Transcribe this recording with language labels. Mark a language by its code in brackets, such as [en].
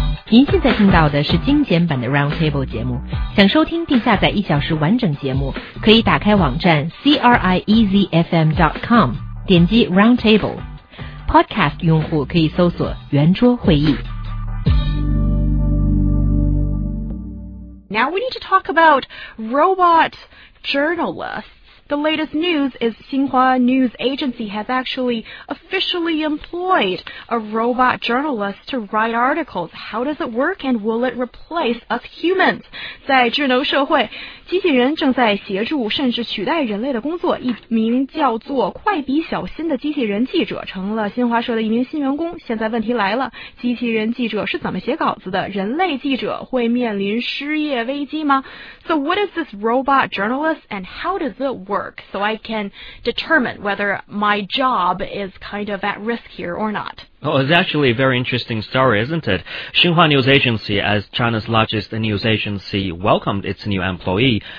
[zh] 您现在听到的是精简版的 Roundtable 节目，想收听并下载一小时完整节目，可以打开网站 CRIEZFM.com， 点击 Roundtable。 Podcast 用户可以搜索圆桌会议。 [en] Now we need to talk about robot journalists. The latest news is Xinhua News Agency has actually officially employed a robot journalist to write articles. How does it work and will it replace us humans? [zh] 在智能社会，机器人正在协助甚至取代人类的工作。一名叫做快笔小新的机器人记者成了新华社的一名新员工。现在问题来了，机器人记者是怎么写稿子的？人类记者会面临失业危机吗？ [en] So what is this robot journalist and how does it work? Work so I can determine whether my job is kind of at risk here or not. Oh, it's actually a very interesting story, isn't it? Xinhua News Agency, as China's largest news agency, welcomed its new employee.